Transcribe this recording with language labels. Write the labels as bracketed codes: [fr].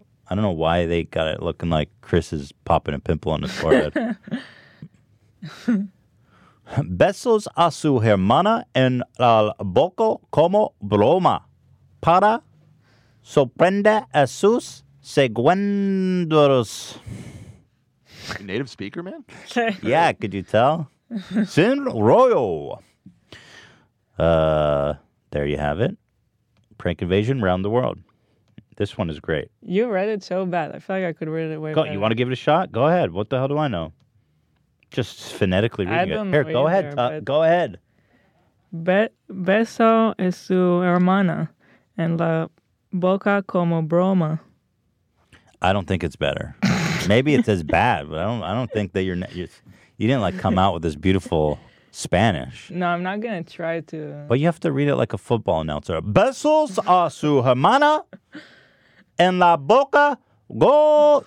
[en] I don't know why they got it looking like Chris is popping a pimple on his forehead. [es] Besos a su hermana en el boca como broma para sorprender a sus seguidores. [en] Native speaker, man? Yeah, could you tell? Sin Royo. There you have it. Prank invasion around the world. This one is great. You read it so bad. I feel like I could read it way better. You want to give it a shot? Go ahead. What the hell do I know? Just phonetically reading it. Here, go ahead. Go ahead. [es] Beso es su hermana en la boca como broma. [en] I don't think it's better. Maybe it's as bad, but I don't think that you didn't like come out with this beautiful Spanish. No, I'm not going to try to. But you have to read it like a football announcer. [es] Besos a su hermana en la boca go.